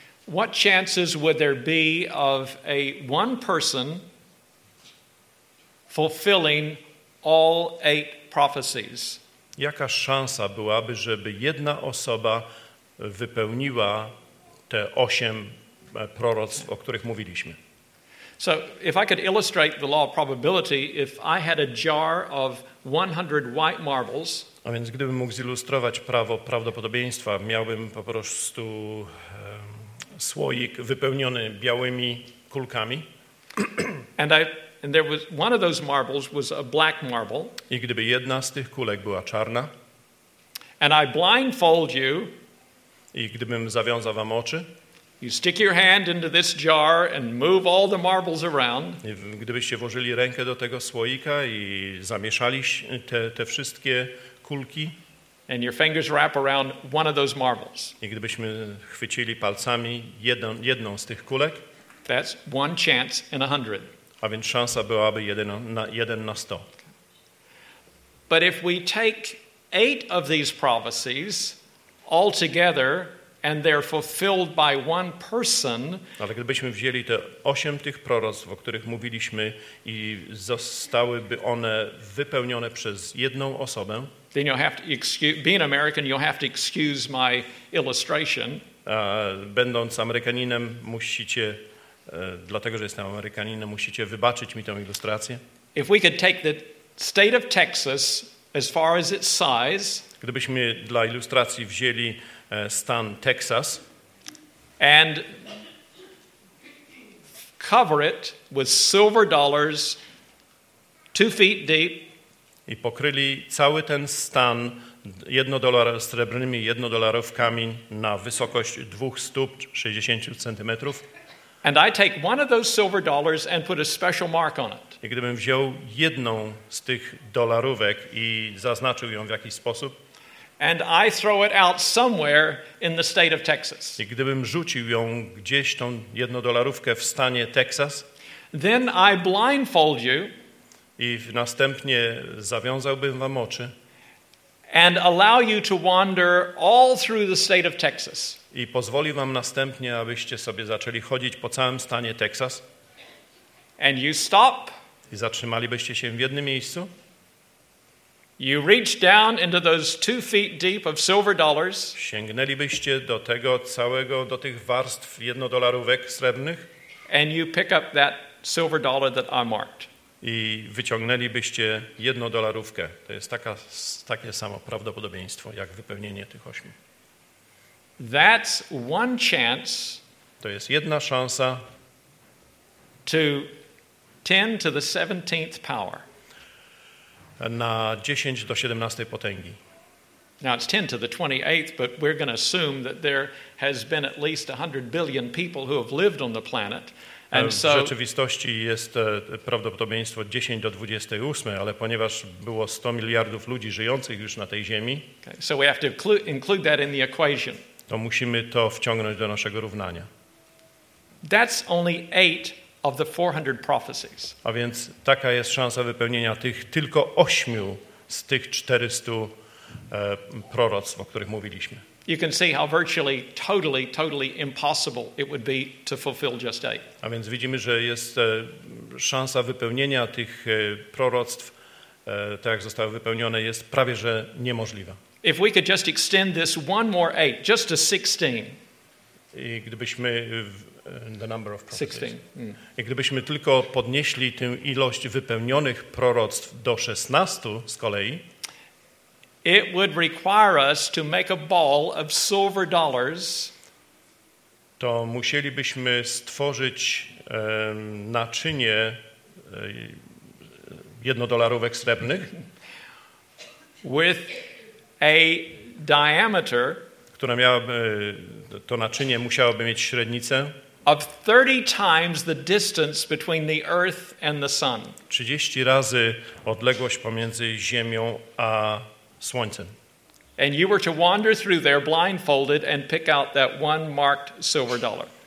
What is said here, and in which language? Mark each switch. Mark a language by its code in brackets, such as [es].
[en] What chances would there be of a one person fulfilling all eight prophecies? [pl] Jaka szansa byłaby, żeby jedna osoba wypełniła te osiem proroctw, o których mówiliśmy? [en] So, if I could illustrate the law of probability, if I had a jar of 100 white marbles. [pl] A więc gdybym mógł zilustrować prawo prawdopodobieństwa, miałbym po prostu słoik wypełniony białymi kulkami. [en] And there was one of those marbles was a black marble. [pl] I gdyby jedna z tych kulek była czarna. [en] And I blindfold you. [pl] I gdybym zawiązał wam oczy. [en] You stick your hand into this jar and move all the marbles around. [pl] I gdybyście włożyli rękę do tego słoika i zamieszali te wszystkie kulki. [en] And your fingers wrap around one of those marbles. [pl] I gdybyśmy chwycili palcami jedną z tych kulek. [en] That's one chance in 100. [pl] A więc szansa byłaby jeden na 100. [en] But if we take eight of these prophecies all together and they're fulfilled by one person. [pl] Ale gdybyśmy wzięli te 8 tych proroctw, o których mówiliśmy, i zostałyby one wypełnione przez jedną osobę. [en] Then you'll have to excuse, being American, you'll have to excuse my illustration. [pl] Będąc Amerykaninem, musicie. Dlatego, że jestem Amerykaninem, musicie wybaczyć mi tę ilustrację. [en] If we could take the state of Texas As far as its size, [pl] gdybyśmy dla ilustracji wzięli stan Texas, [en] and cover it with silver dollars 2 feet deep, [pl] i pokryli cały ten stan 1 dolar srebrnymi 1 dolarówkami na wysokość 2 stóp 60 centymetrów. [en] And I take one of those silver dollars and put a special mark on it. [pl] I gdybym wziął jedną z tych dolarówek i zaznaczył ją w jakiś sposób. [en] And I throw it out somewhere in the state of Texas. [pl] I gdybym rzucił ją gdzieś tą jednodolarówkę w stanie Texas. [en] Then I blindfold you. [pl] I następnie zawiązałbym wam oczy. [en] And allow you to wander all through the state of Texas. [pl] I pozwolił wam następnie, abyście sobie zaczęli chodzić po całym stanie Texas. [en] And you stop. [pl] I zatrzymalibyście się w jednym miejscu. [en] You reach down into those 2 feet deep of silver dollars. [pl] Sięgnęlibyście do tego całego, do tych warstw jednodolarówek srebrnych. [en] And you pick up that silver dollar that I marked. [pl] I wyciągnęlibyście jednodolarówkę. To jest takie samo prawdopodobieństwo, jak wypełnienie tych 8. [en] That's one chance. [pl] To jest jedna szansa. [en] To 10 to the 17th power. [pl] Na 10 do 17 potęgi. [en] Now it's 10 to the 28th, but we're going to assume that there has been at least 100 billion people who have lived on the planet. And so [pl] w rzeczywistości jest prawdopodobieństwo 10 do 28, ale ponieważ było 100 miliardów ludzi żyjących już na tej ziemi. [en] Okay, so we have to include that in the equation. [pl] To musimy to wciągnąć do naszego równania. [en] That's only 8 of the 400 prophecies. [pl] A więc taka jest szansa wypełnienia tych tylko 8 z tych 400 proroctw, o których mówiliśmy. [en] You can see how virtually totally impossible it would be to fulfill just 8. [pl] A więc widzimy, że jest szansa wypełnienia tych proroctw, tak jak zostały wypełnione, jest prawie że niemożliwa. [en] If we could just extend this one more 8, just to 16. [pl] I gdybyśmy [en] the number of prophecies. 16. [pl] Mm. I gdybyśmy tylko podnieśli tę ilość wypełnionych proroctw do 16 z kolei. [en] It would require us to make a ball of silver dollars. [pl] To musielibyśmy stworzyć naczynie jednodolarówek srebrnych. [en] With a diameter, [pl] która miałaby, to naczynie musiałoby mieć średnicę [en] of 30 times the distance between the earth and the sun. [pl] 30 razy odległość pomiędzy ziemią a słońcem. [en] And you were to wander through there blindfolded and pick out that one marked silver dollar.